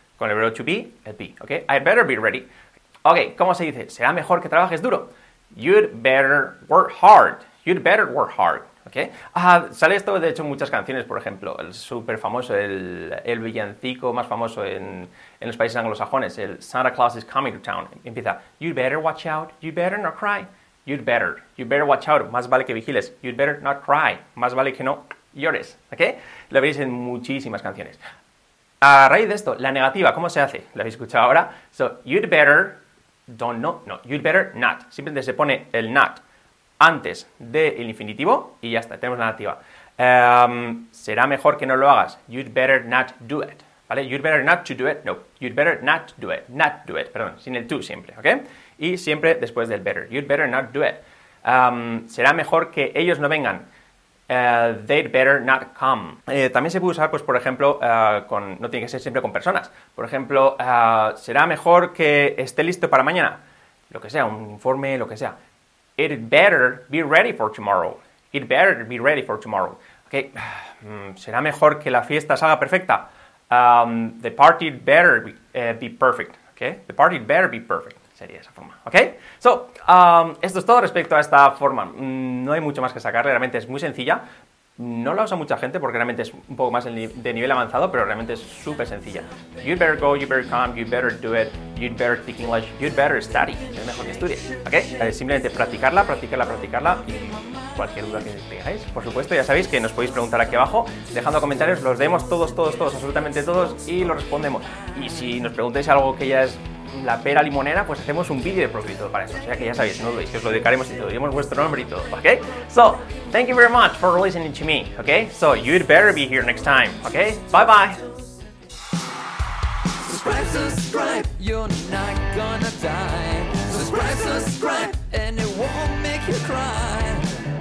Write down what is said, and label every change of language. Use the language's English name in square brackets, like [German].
[Spanish] Con el verbo to be, el be. ¿Okay? [English] I'd better be ready. [Spanish] Ok, ¿cómo se dice? Será mejor que trabajes duro. [English] You'd better work hard. You'd better work hard. ¿Okay? [Spanish] Sale esto, de hecho, en muchas canciones. Por ejemplo, el súper famoso, el villancico más famoso en los países anglosajones, el [English] Santa Claus is coming to town. Empieza, you'd better watch out, you'd better not cry. You'd better watch out, [Spanish] más vale que vigiles. [English] You'd better not cry, [Spanish] más vale que no llores. ¿Okay? Lo veis en muchísimas canciones. A raíz de esto, la negativa, ¿cómo se hace? ¿La habéis escuchado ahora? [English] So, you'd better, don't know, no, you'd better not. [Spanish] Simplemente se pone el not antes del infinitivo y ya está, tenemos la negativa. Será mejor que no lo hagas. [English] You'd better not do it. ¿Vale? You'd better not to do it. No. You'd better not do it. Not do it. [Spanish] Perdón, sin el to siempre. ¿Ok? Y siempre después del better. [English] You'd better not do it. [Spanish] Será mejor que ellos no vengan. [English] They'd better not come. [Spanish] También se puede usar, pues, por ejemplo, con, no tiene que ser siempre con personas. Por ejemplo, será mejor que esté listo para mañana. Lo que sea, un informe, lo que sea. [English] It better be ready for tomorrow. It better be ready for tomorrow. Okay. [Spanish] Será mejor que la fiesta salga perfecta. [English] The party better be perfect. Okay. The party better be perfect. [Spanish] Sería esa forma. Okay. So, esto es todo respecto a esta forma. No hay mucho más que sacar. Realmente es muy sencilla. No la usa mucha gente porque realmente es un poco más de nivel avanzado, pero realmente es súper sencilla. [English] You'd better go, you'd better come, you'd better do it, you'd better speak English, you'd better study. [Spanish] Es mejor que estudies, ¿ok? Simplemente practicarla y cualquier duda que tengáis. Por supuesto, ya sabéis que nos podéis preguntar aquí abajo, dejando comentarios, los leemos todos, absolutamente todos, y los respondemos. Y si nos preguntáis algo que ya es la pera limonera, pues hacemos un vídeo de propio para eso. O sea que ya sabéis, no dudéis, que os lo dedicaremos y te diremos vuestro nombre y todo, ¿ok? [English] So, thank you very much for listening to me, ¿ok? So, you'd better be here next time, ¿ok? Bye bye. subscribe, you're not gonna die. Subscribe, subscribe, and it won't make you cry.